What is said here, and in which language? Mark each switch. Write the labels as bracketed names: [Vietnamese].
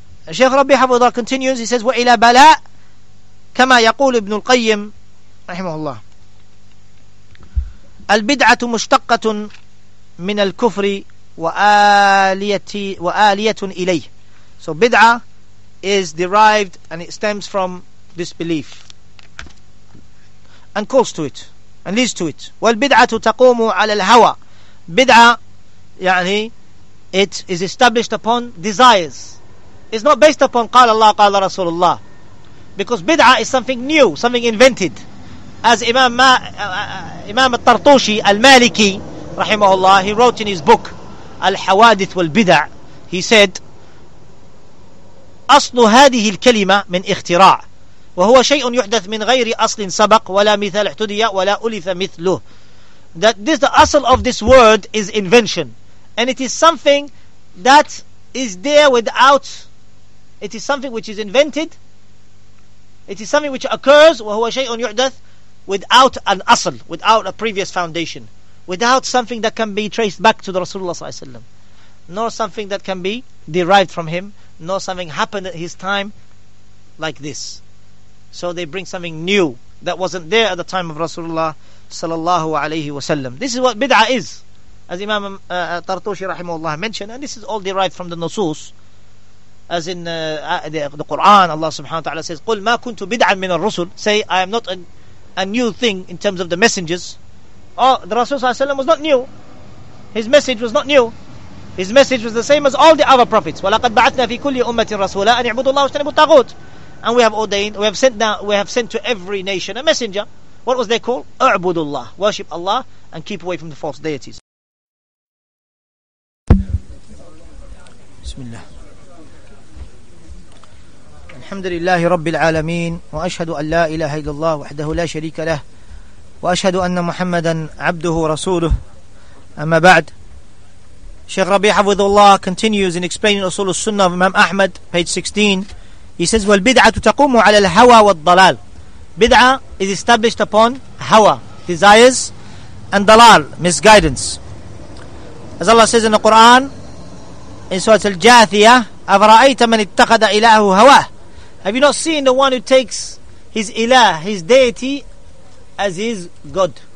[English] Shaykh Rabbi Hafidh Allah continues, he says, [Arabic] وَإِلَى بَلَاء كَمَا يَقُولُ ابْنُ الْقَيِّمِ رَحِمَهُ اللَّهِ الْبِدْعَةُ مُشْتَقَّةٌ مِنَ الْكُفْرِ وَآلِيَةٌ إِلَيْهِ. [English] So bid'ah is derived and it stems from disbelief and calls to it and leads to it. [Arabic] وَالْبِدْعَةُ تَقُومُ عَلَى الْهَوَى. [English] Bid'ah, يعني, it is established upon desires. It's not based upon [Arabic] قال الله قال رسول الله. [English] Because bid'ah is something new, something invented. As Imam al-Tartushi al-Maliki rahimahullah, he wrote in his book Al-Hawadith wal-Bid'ah, he said, [Arabic] أصل هذه الكلمة من اختراع وهو شيء يحدث من غير أصل سبق ولا مثال احتدي ولا ألف مثله. [English] That this, the أصل of this word is invention, and it is something that is there without, it is something which is invented, it is something which occurs, [Arabic] وهو شيء يحدث, [English] without an أصل, without a previous foundation, without something that can be traced back to the Rasulullah sallallahu alaihi wasallam, nor something that can be derived from him, nor something happened at his time like this. So they bring something new that wasn't there at the time of Rasulullah sallallahu alaihi wasallam. This is what bid'ah is, as Imam Tartushi rahimahullah mentioned, and this is all derived from the nusus, as in the Quran. [Arabic] Allah subhanahu wa ta'ala says, قُلْ مَا كُنْتُ بِدْعًا مِنَ الرُّسُلِ. [English] Say, I am not a new thing in terms of the messengers. Oh, the Rasul ﷺ was not new. His message was not new. His message was the same as all the other prophets. [Arabic] وَلَقَدْ بَعَثْنَا فِي كُلِّ أُمَّةٍ رَسُولًا أَنْ يَعْبُدُوا اللَّهَ وَاجْتَنِبُوا الطَّاغُوتَ. [English] And we have ordained, we have sent to every nation a messenger. What was they called? [Arabic] أَعْبُدُوا اللَّهَ. [English] Worship Allah and keep away from the false deities. Bismillah. [Arabic] الحمد لله رب العالمين وأشهد أن لا إله إلا الله وحده لا شريك له وأشهد أن محمدا عبده رسوله أما بعد. [English] شيخ ربيع حفظ الله continues in explaining أصول السنة of Imam Ahmad, page 16. He says, [Arabic] والبدعة تقوم على الهوى والضلال. [English] بدعة is established upon هوى, desires, and ضلال, misguidance. As Allah says in the Quran in Surah Al-Jathiyah, [Arabic] أفرأيت من اتخذ إله هواه. [English] Have you not seen the one who takes his ilah, his deity, as his god?